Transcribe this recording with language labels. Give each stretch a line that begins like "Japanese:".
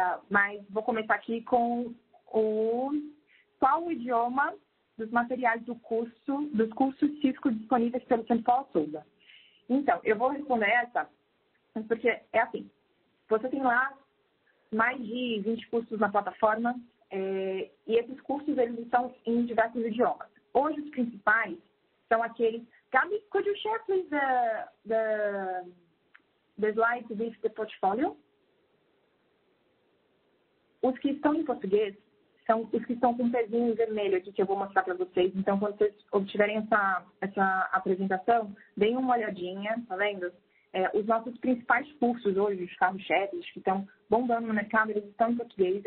Portuguese: Mas vou começar aqui com qual o idioma dos materiais do curso, dos cursos Cisco disponíveis pelo Centro Paulo Souza. Então, eu vou responder essa, porque é assim, você tem lá mais de 20 cursos na plataforma, e esses cursos eles estão em diversos idiomas. Hoje, os principais são aqueles...
English: Gabi, could you share, please, the slides with the portfolio?
Portuguese: Os que estão em português são os que estão com um pezinho vermelho aqui que eu vou mostrar para vocês. Então, quando vocês obtiverem essa apresentação, deem uma olhadinha, tá vendo? Os nossos principais cursos hoje, os carro-chefes, que estão bombando no mercado, eles estão em português.